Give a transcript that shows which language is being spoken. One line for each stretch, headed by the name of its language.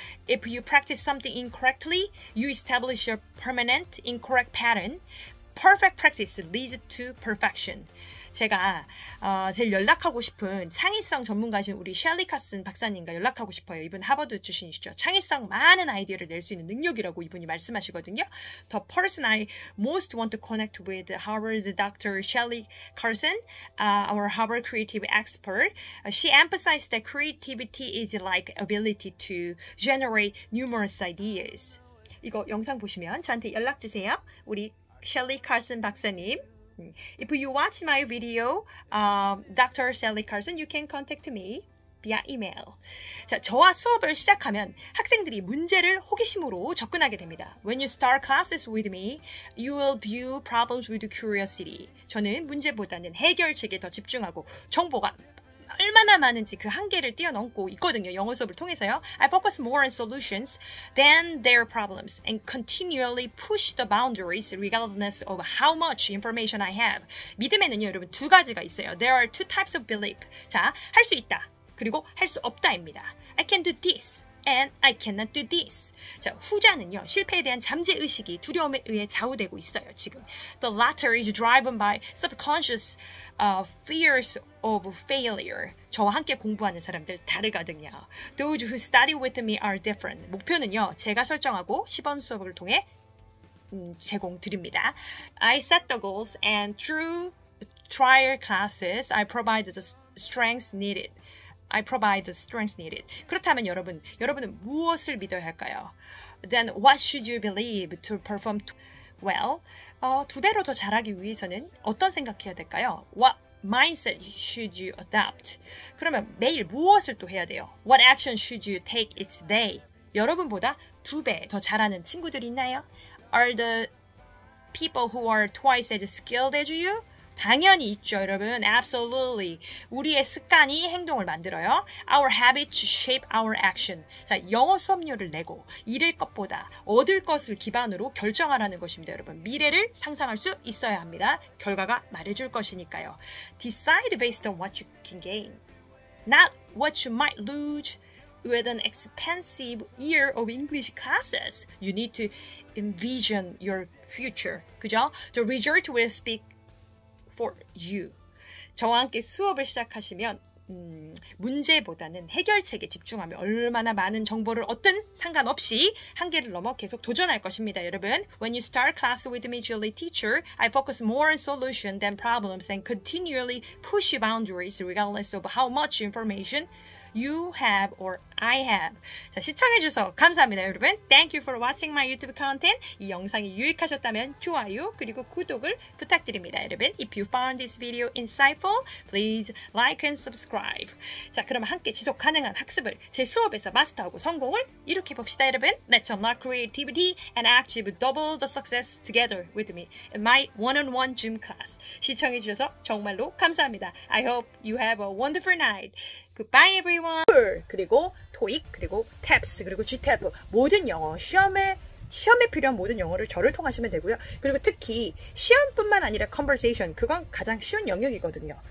English: If you practice something incorrectly, you establish a permanent incorrect pattern. Perfect practice leads to perfection.
Korean: 제가 제일 연락하고 싶은 창의성 전문가이신 우리 셸리 카슨 박사님과 연락하고 싶어요. 이분 하버드 출신이시죠. 창의성 많은 아이디어를 낼수 있는 능력이라고 이분이 말씀하시거든요.
English: The person I most want to connect with, Harvard Dr. Shelley Carson, our Harvard creative expert. She emphasized that creativity is like ability to generate numerous ideas.
Korean: 이거 영상 보시면 저한테 연락 주세요. 우리 셸리 카슨 박사님.
English: If you watch my video, Dr. Sally Carson, you can contact me via email.
Korean: 자, 저와 수업을 시작하면 학생들이 문제를 호기심으로 접근하게 됩니다.
English: When you start classes with me, you will view problems with curiosity.
Korean: 저는 문제보다는 해결책에 더 집중하고 정보가 얼마나 많은지 그 한계를 뛰어넘고 있거든요. 영어 수업을 통해서요.
English: I focus more on solutions than their problems and continually push the boundaries regardless of how much information I have.
Korean: 믿음에는요, 여러분, 두 가지가 있어요.
English: There are two types of belief.
Korean: 자, 할수 있다. 그리고 할수 없다입니다.
English: I can do this and I cannot do this.
Korean: 자, 후자는요, 실패에 대한 잠재의식이 두려움에 의해 좌우되고 있어요, 지금.
English: The latter is driven by subconscious fears of failure.
Korean: 저와 함께 공부하는 사람들 다르거든요.
English: Those who study with me are different.
Korean: 목표는요, 제가 설정하고 10원 수업을 통해 제공드립니다.
English: I set the goals and through trial classes, I provide the strengths needed. I provide the strengths needed.
Korean: 그렇다면 여러분은 무엇을 믿어야 할까요?
English: Then what should you believe to perform well?
Korean: 두 배로 더 잘하기 위해서는 어떤 생각해야 될까요?
English: What mindset should you adopt?
Korean: 그러면 매일 무엇을 또 해야 돼요?
English: What action should you take each day?
Korean: 여러분보다 두배더 잘하는 친구들 있나요?
English: Are the people who are twice as skilled as you?
Korean: 당연히 있죠, 여러분.
English: Absolutely.
Korean: 우리의 습관이 행동을 만들어요.
English: Our habits shape our action.
Korean: 자, 영어 수업료를 내고 잃을 것보다 얻을 것을 기반으로 결정하라는 것입니다, 여러분. 미래를 상상할 수 있어야 합니다. 결과가 말해줄 것이니까요.
English: Decide based on what you can gain, not what you might lose with an expensive year of English classes. You need to envision your future.
Korean: 그죠?
English: The result will speak for you.
Korean: 저와 함께 수업을 시작하시면 문제보다는 해결책에 집중하며 얼마나 많은 정보를 얻든 상관없이 한계를 넘어 계속 도전할 것입니다. 여러분,
English: when you start class with me, Julie teacher, I focus more on solution than problems and continually push boundaries regardless of how much information you have or I have.
Korean: 자, 시청해주셔서 감사합니다, 여러분.
English: Thank you for watching my YouTube content.
Korean: 이 영상이 유익하셨다면 좋아요 그리고 구독을 부탁드립니다, 여러분.
English: If you found this video insightful, please like and subscribe.
Korean: 자, 그럼 함께 지속 가능한 학습을 제 수업에서 마스터하고 성공을 이룩해 봅시다, 여러분.
English: Let's unlock creativity and achieve double the success together with me in my one-on-one gym class.
Korean: 시청해주셔서 정말로 감사합니다.
English: I hope you have a wonderful night. Goodbye, everyone.
Korean: 그리고 토익, 그리고 TAPS, 그리고 GTAP 모든 영어 시험에 필요한 모든 영어를 저를 통하시면 되고요. 그리고 특히 시험뿐만 아니라 conversation, 그건 가장 쉬운 영역이거든요.